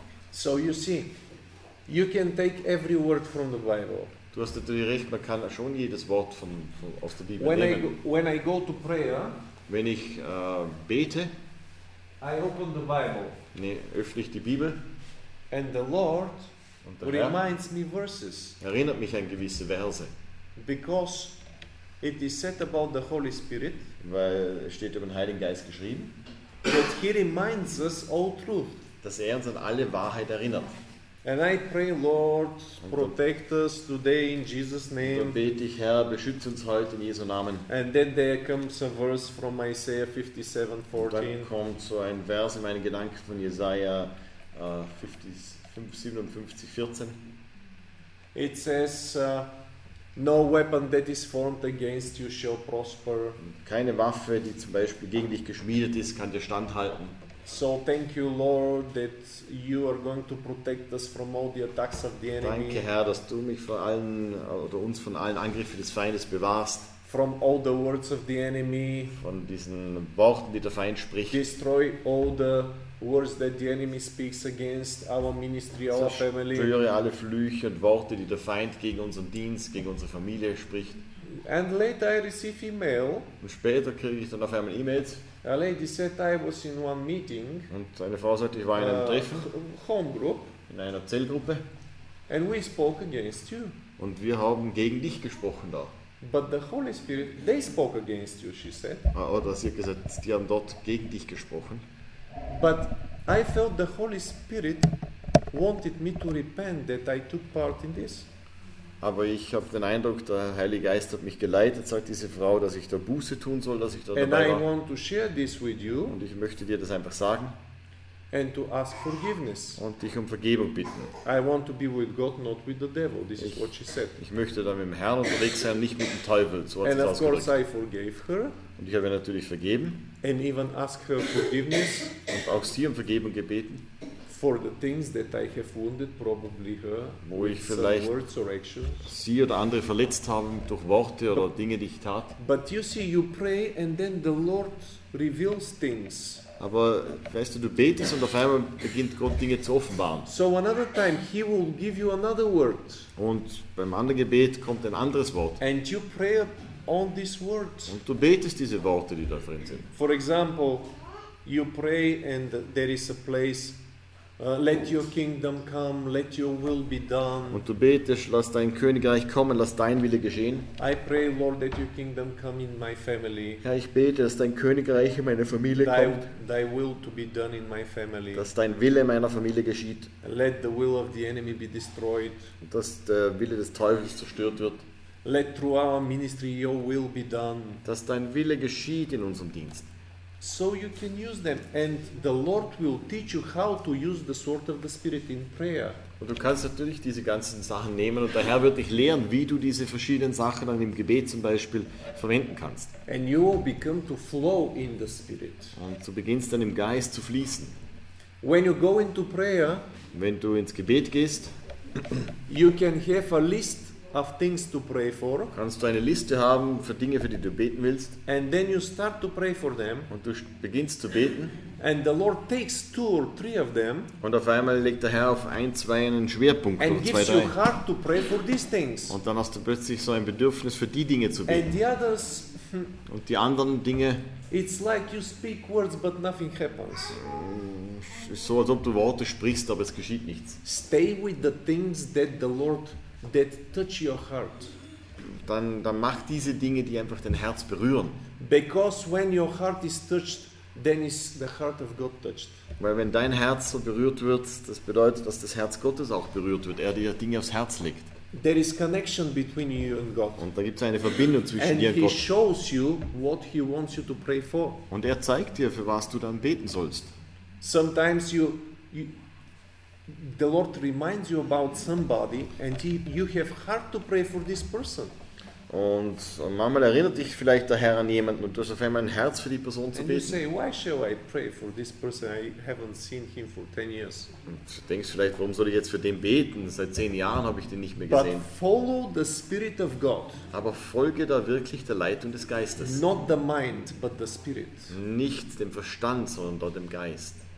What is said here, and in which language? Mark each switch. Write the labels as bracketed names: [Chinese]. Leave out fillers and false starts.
[English] So you see, you can take every word from the Bible. [German] Du hast natürlich recht, man kann schon jedes Wort von aus der Bibel [English] when [German] nehmen. [English] When I go to prayer, [German] wenn ich bete, [English] I open the Bible. [German] Nee, öffne ich die Bibel. [English] And the Lord [German] und der Herr [English] reminds me verses. [German] Erinnert mich an gewisse Verse. [English] Because it is said about the Holy Spirit, [German] weil es steht über den Heiligen Geist geschrieben, [English] that he reminds us all truth, [German] dass er uns an alle Wahrheit erinnert. [English] And I pray, Lord, protect us today in Jesus' name. [German] Dann bete ich, Herr, beschütze uns heute in Jesu Namen. [English] And then there comes a verse from Isaiah 57:14. [German] Dann kommt so ein Vers in meinen Gedanken von Jesaja 57:14. [English] It says, no weapon that is formed against you shall prosper. [German] Keine Waffe, die zum Beispiel gegen dich geschmiedet ist, kann dir standhalten. [English] So thank you, Lord, that you are going to protect us from all the attacks of the enemy. [German] Danke, Herr, dass du mich vor allen oder uns von allen Angriffen des Feindes bewahrst. [English] From all the words of the enemy. [German] Von diesen Worten, die der Feind spricht. [English] Destroy all the words that the enemy speaks against our ministry, our family. [German] Zerstöre alle Flüche und Worte, die der Feind gegen unseren Dienst, gegen unsere Familie spricht. [English] And later I receive email. [German] Und später kriege ich dann auf einmal E-Mails. [English] A lady said I was in one meeting. [German] Und eine Frau sagte, ich war in einem Treffen. [English] Home group. [German] In einer Zellgruppe. [English] And we spoke against you. [German] Und wir haben gegen dich gesprochen da. [English] But the Holy Spirit, they spoke against you, she said. [German] Oder sie hat gesagt, die haben dort gegen dich gesprochen. [English] But I felt the Holy Spirit wanted me to repent that I took part in this. [German] Aber ich habe den Eindruck, der Heilige Geist hat mich geleitet, sagt diese Frau, dass ich da Buße tun soll, dass ich da [English] and [German] dabei [English] I [German] war. [English] Want to share this with you. [German] Und ich möchte dir das einfach sagen. [English] And to ask forgiveness. [German] Und dich um Vergebung bitten. [English] I want to be with God, not with the devil. This is what she said. [German] Ich möchte dann mit dem Herrn unterwegs sein, nicht mit dem Teufel. So hat [English] And [German] es [English] of course I forgave her. [German] Und ich habe ihr natürlich vergeben. [English] And even ask her forgiveness. [German] Und auch sie um Vergebung gebeten. [English] For the things that I have wounded, probably her, [German] wo ich vielleicht [English] words or actions. [German] Sie oder andere verletzt habe durch Worte oder Dinge, die ich tat. [English] But you see, you pray and then the Lord reveals things. [German] Aber weißt du, du betest und auf einmal beginnt Gott Dinge zu offenbaren. [English] So another time he will give you another word. [German] Und beim anderen Gebet kommt ein anderes Wort. [English] And you pray on these words. [German] Und du betest diese Worte, die da drin sind. [English] For example, you pray and there is a place, let your kingdom come, let your will be done. [German] Und du betest, lass dein Königreich kommen, lass dein Wille geschehen. [English] I pray, Lord, that your kingdom come in my family. [German] Herr, ich bete, dass dein Königreich in meine Familie kommt. [English] Thy will to be done in my family. [German] Dass dein Wille in meiner Familie geschieht. [English] Let the will of the enemy be destroyed. [German] Und dass der Wille des Teufels zerstört wird. [English] Let through our ministry your will be done. [German] Dass dein Wille geschieht in unserem Dienst. [English] So you can use them, and the Lord will teach you how to use the sword of the Spirit in prayer. [German] Und du kannst natürlich diese ganzen Sachen nehmen, und der Herr wird dich lehren, wie du diese verschiedenen Sachen dann im Gebet zum Beispiel verwenden kannst. [English] And you will become to flow in the Spirit. [German] Und du beginnst dann im Geist zu fließen. [English] When you go into prayer, [German] wenn du ins Gebet gehst, [English] you can have a list of things to pray for. [German] Kannst du eine Liste haben für Dinge, für die du beten willst? [English] And then you start to pray for them. [German] Und du beginnst zu beten. [English] And the Lord takes two or three of them. [German] Und auf einmal legt der Herr auf ein, zwei einen Schwerpunkt [English] and [German] oder zwei, [English] gives you heart to pray for these things. [German] Und dann hast du plötzlich so ein Bedürfnis für die Dinge zu beten. [English] And the others, [German] und die anderen Dinge. [English] It's like you speak words but nothing happens. [German] So als ob du Worte sprichst, aber es geschieht nichts. [English] Stay with the things that the Lord that touch your heart. [German] Dann mach diese Dinge, die einfach dein Herz berühren. [English] Because when your heart is touched, then is the heart of God touched. [German] Weil wenn dein Herz so berührt wird, das bedeutet, dass das Herz Gottes auch berührt wird. Er dir Dinge aufs Herz legt. [English] There is connection between you and God. [German] Und da gibt's eine Verbindung zwischen [English] and [German] dir und [English] he [German] Gott. [English] Shows you what he wants you to pray for. [German] Und er zeigt dir, für was du dann beten sollst. [English] Sometimes the Lord reminds you about somebody and you have heart to pray for this person. [German] Und manchmal erinnert dich vielleicht der Herr an jemanden und du hast auf einmal ein Herz für die Person zu beten. [English] And you say, why shall I pray for this person? I haven't seen him for 10 years. [German] Und du denkst vielleicht, warum soll ich jetzt für den beten? Seit 10 Jahren habe ich den nicht mehr gesehen. [English] But follow the Spirit of God. [German] Aber folge da wirklich der Leitung des Geistes. [English] Not the mind, but the Spirit. [German] Nicht dem Verstand, sondern dort dem Geist.